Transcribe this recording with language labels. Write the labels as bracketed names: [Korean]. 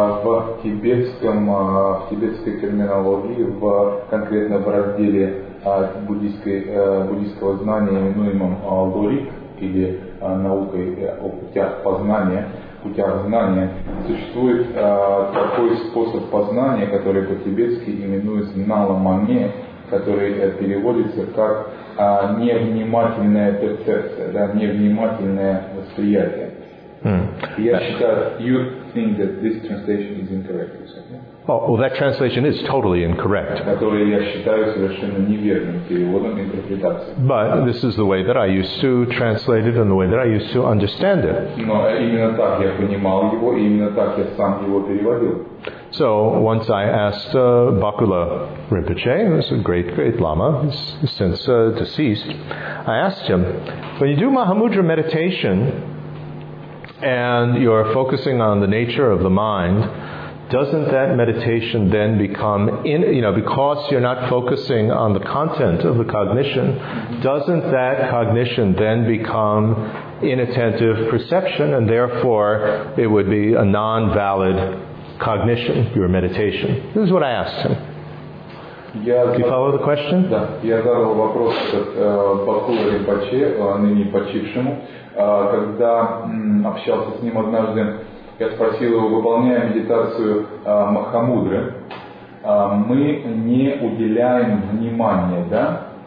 [Russian] В тибетской терминологии, в конкретно в разделе буддийского знания, именуемом Лорик, или наукой о путях познания, путях знания, существует такой способ познания, который по-тибетски именуется наламане, который переводится как невнимательная перцепция, да, невнимательное восприятие. Я считаю, [English] you think that this translation is incorrect, you said, yeah? Oh, well, that translation is totally incorrect. [Russian] Который я считаю совершенно неверным переводом, интерпретацией. [English] But this is the way that I used to translate it and the way that I used to understand it. [Russian] Но именно так я понимал его, и именно так я сам его переводил. [English] So once I asked Bakula Rinpoche, who's a great, great lama, he's since deceased, I asked him, when you do Mahamudra meditation and you're focusing on the nature of the mind, doesn't that meditation then become, because you're not focusing on the content of the cognition, doesn't that cognition then become inattentive perception and therefore it would be a non-valid cognition, your meditation? This is what I asked him. Do you follow the question? [Russian] Да. Я задал вопрос Бакула Ринпоче, ныне почившему. Когда общался с ним однажды, я спросил его, выполняя медитацию Махамудры, мы не уделяем внимания, да?